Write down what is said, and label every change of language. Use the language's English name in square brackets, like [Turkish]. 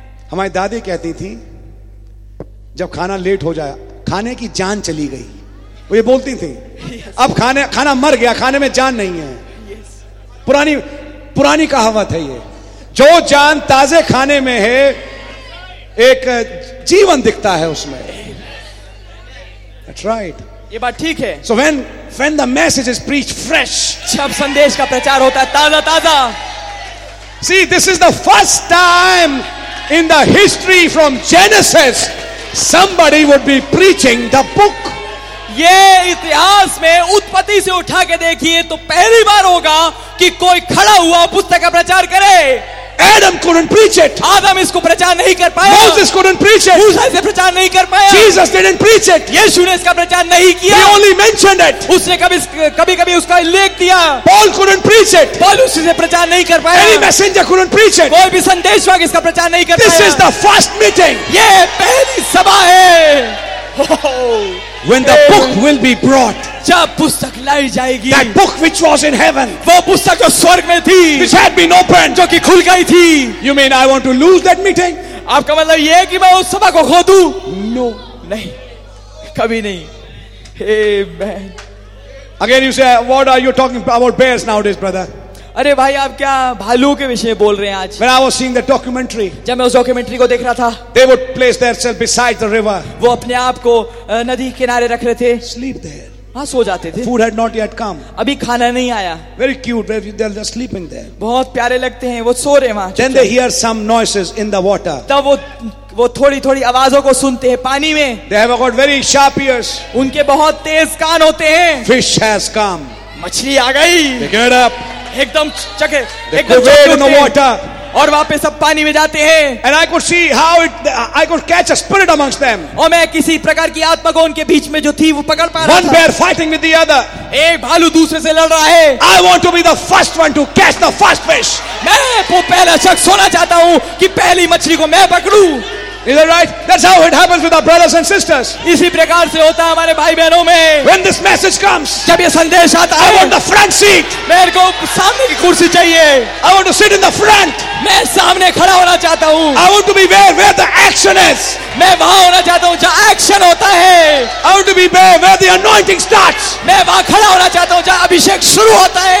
[Hindi] हमारी दादी कहती थी जब खाना लेट हो जाए खाने की जान चली गई, वो ये बोलती थी. [English] Yes. [Hindi] अब खाना मर गया, खाने में जान नहीं है. [English] Yes. [Hindi] पुरानी कहावत है ये, जो जान ताजे खाने में है एक जीवन दिखता है उसमें. [English] That's right. [Hindi] ये बात ठीक है. [English] So when the message is preached fresh, [Hindi] जब संदेश का प्रचार होता है ताजा ताजा. [English] See, this is the first time in the history from Genesis somebody would be preaching the book. [Hindi] ये इतिहास में उत्पत्ति से उठा के देखिए तो पहली बार होगा कि कोई खड़ा हुआ पुस्तक का प्रचार करे. [English] Adam couldn't preach it. [Hindi] आदम इसको प्रचार नहीं कर पाया. [English] Moses couldn't preach it. [Hindi] मूसा इसे प्रचार नहीं कर पाया. [English] Jesus didn't preach it. [Hindi] यीशु ने इसका प्रचार नहीं किया. [English] He only mentioned it. [Hindi] उसने कभी-कभी उसका उल्लेख किया. [English] Paul couldn't preach it. [Hindi] पौलुस इसे प्रचार नहीं कर पाया. [English] Any messenger couldn't preach it. [Hindi] कोई भी संदेशवाहक इसका प्रचार नहीं कर पाया. [English] This is the first meeting. [Hindi] ये पहली सभा है. [English] When the book will be brought, [Hindi] जब पुस्तक लाई जाएगी, [English] that book which was in heaven, [Hindi] वो पुस्तक जो स्वर्ग में थी, [English] which had been opened, [Hindi] जो कि खुल गई थी. [English] You mean I want to lose that meeting? [Hindi] आपका मतलब ये है कि मैं उस सभा को खो दूं? [English] No, [Hindi] नहीं, कभी नहीं. Amen. [English] Again, you say, what are you talking about bears nowadays, brother? [Hindi] अरे भाई आप क्या भालू के विषय में बोल रहे हैं आज? [English] When I was seeing the documentary, [Hindi] जब मैं उस डॉक्यूमेंट्री को देख रहा था, [English] they would place themselves beside the river. [Hindi] वो अपने आप को नदी किनारे रख रहे थे. [English] Sleep there. [Hindi] हाँ, सो जाते थे. [English] Food had not yet come. [Hindi] अभी खाना नहीं आया. [English] Very cute. They are just sleeping there. [Hindi] बहुत प्यारे लगते हैं, वो सो रहे वहाँ. [English] Then they hear some noises in the water. [Hindi] तब वो थोड़ी थोड़ी आवाजों को सुनते हैं पानी में. [English] They have got very sharp ears. [Hindi] उनके बहुत तेज कान होते हैं. [English] Fish has come. [Hindi] मछली आ गई. [English] Get up. [Hindi] एकदम चके, एकदम चके [English] in the water. [Hindi] और वापस सब पानी में जाते हैं. [English] And I could see how it, I could catch a spirit amongst them. [Hindi] और मैं किसी प्रकार की आत्मा को उनके बीच में जो थी वो पकड़ पा रहा [English] था. One bear fighting with the other. [Hindi] एक भालू दूसरे से लड़ रहा है. [English] I want to be the first one to catch the first fish. [Hindi] मैं वो पहला शख्स होना चाहता हूँ कि पहली मछली को मैं पकड़ू. [English] Is that right? That's how it happens with our brothers and sisters. [Hindi] इसी प्रकार से होता है हमारे भाई बहनों में. [English] When this message comes, [Hindi] जब ये संदेश आता है, [English] I want the front seat. [Hindi] मेरे को सामने की कुर्सी चाहिए. [English] I want to sit in the front. [Hindi] मैं सामने खड़ा होना चाहता हूँ. [English] I want to be where the action is. [Hindi] मैं वहाँ होना चाहता हूँ जहाँ एक्शन होता है. [English] I want to be where the anointing starts. [Hindi] मैं वहाँ खड़ा होना चाहता हूँ जहाँ अभिषेक शुरू होता है.